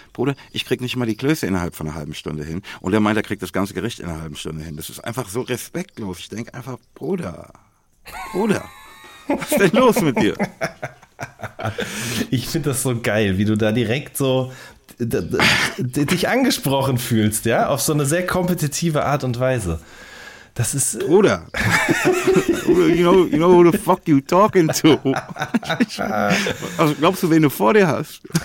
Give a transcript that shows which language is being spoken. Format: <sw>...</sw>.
<de>Bruder, ich krieg nicht mal die Klöße innerhalb von einer halben Stunde hin. Und er meint, er kriegt das ganze Gericht in einer halben Stunde hin. Das ist einfach so respektlos. Ich denke einfach, Bruder, was ist denn los mit dir? Ich finde das so geil, wie du da direkt so dich angesprochen fühlst, ja, auf so eine sehr kompetitive Art und Weise. Das ist... Bruder,</de> <en>you know who the fuck you talking to?</en> <de>Also glaubst du, wen du vor dir hast?</de>